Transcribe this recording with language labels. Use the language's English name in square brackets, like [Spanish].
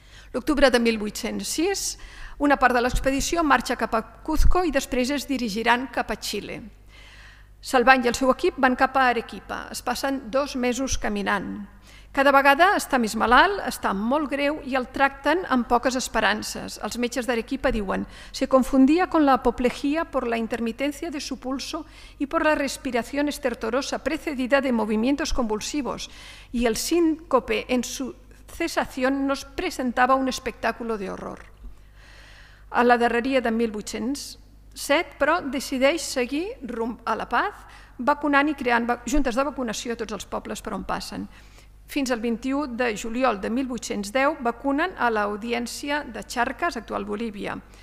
[Catalan] L'octubre de 1806, una part de l'expedició marxa cap a Cuzco i després es dirigiran cap a Xile. Salvany i el seu equip van cap a Arequipa. Es passen 2 mesos caminant. Cada vegada està més malalt, està molt greu i el tracten amb poques esperances. Els metges d'Arequipa diuen: [Spanish] "Se confundia con la apoplejía por la intermitencia de su pulso y por la respiración estertorosa precedida de movimientos convulsivos y el síncope en su cesación nos presentaba un espectáculo de horror". [Catalan] A la darreria de 1807, però, decideix seguir rumb a la paz, vacunant i creant juntes de vacunació a tots els pobles per on passen. Fins al 21 de juliol de 1810 vacunen a l'Audiència de Charcas, actual Bolívia.